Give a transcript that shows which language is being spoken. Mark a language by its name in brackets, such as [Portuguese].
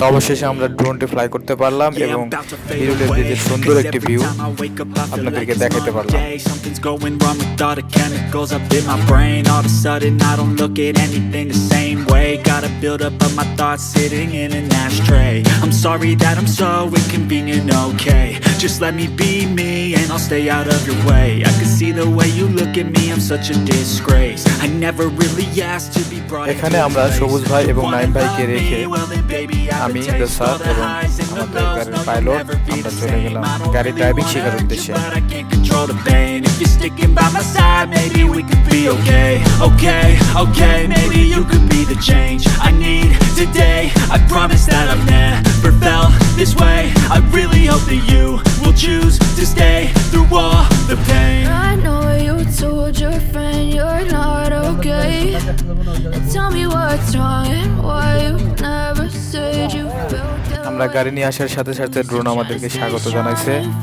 [Bangla] তো অবশেষে আমরা ড্রোনটি ফ্লাই করতে পারলাম এবং বিরুলিয়ার দিকে সুন্দর একটি ভিউ আপনাদেরকে দেখাতে পারলাম। [English] Build up of my thoughts sitting in an ashtray. I'm sorry that I'm so inconvenient, okay. Just let me be me and I'll stay out of your way. I can see the way you look at me, I'm such a disgrace. I never really asked to be brought into this place. Here we are, Shobuz bhai and Naim bhai. Well then baby, I can taste all the highs and the lows. No will never be the same. I don't really wanna hurt you, but I can't control the pain. If you're sticking by my side, maybe we could be okay. Okay, okay, maybe you could be the change I need today. I promise that I've never felt this way. I really hope that you will choose to stay through all the pain. I know you told your friend you're not okay. Tell me what's wrong and why you never said you felt that way. [Bangla] আমরা গাড়ি নিয়ে আসার সাথে সাথে drone আমাদেরকে স্বাগত জানাইছে।